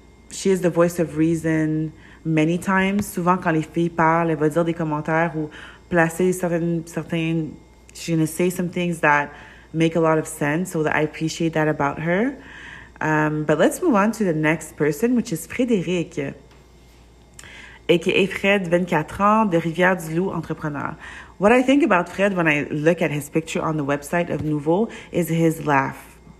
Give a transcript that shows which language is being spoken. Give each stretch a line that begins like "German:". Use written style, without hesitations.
English: She is the voice of reason many times.
French: Souvent, quand les filles parlent, elle va dire des commentaires ou placer certaines...
English: She's going to say some things that make a lot of sense, so that I appreciate that about her. But let's move on to the next person, which is Frédéric. A.K.A. Fred,
French: 24 ans, de Rivière-du-Loup, entrepreneur.
English: What I think about Fred when I look at his picture on the website of Nouveau is his laugh.